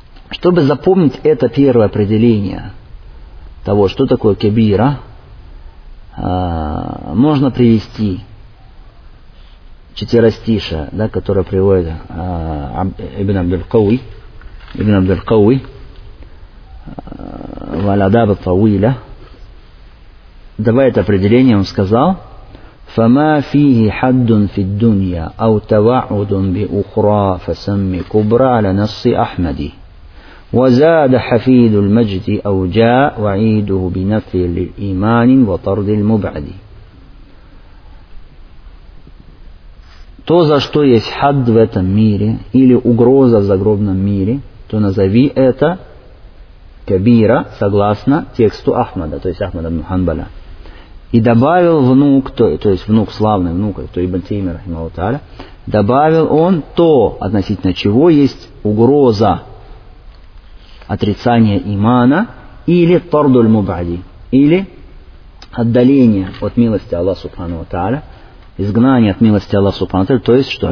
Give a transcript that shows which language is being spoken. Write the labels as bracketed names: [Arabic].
[Russian] Чтобы запомнить это первое определение того, что такое кабира, можно привести четверостишие, да, которое приводит Ибн Абдул-Кауи. Ибн Абдул-Кауи. Валадаба Тауиля. Давай это определение, он сказал. [Arabic] Фама фихи хаддун фид дунья, ау тава'удун би ухра, фасамми кубра ля насы Ахмади. وزاد حفيد المجد أو جاء وعيده بنفي الإيمان وطرد المبعد. [Russian] То, за что есть хад в этом мире или угроза в загробном мире, то назови это кабира согласно тексту Ахмада, то есть Ахмада ибн Ханбаля. И добавил внук, то есть внук славный внук, то ибн Теймия рахимаху тааля, добавил он то, относительно чего есть угроза отрицание имана или тардуль мубади, или отдаление от милости Аллаха Субхану ва Тааля, изгнание от милости Аллаха Субхану ва Тааля, то есть что?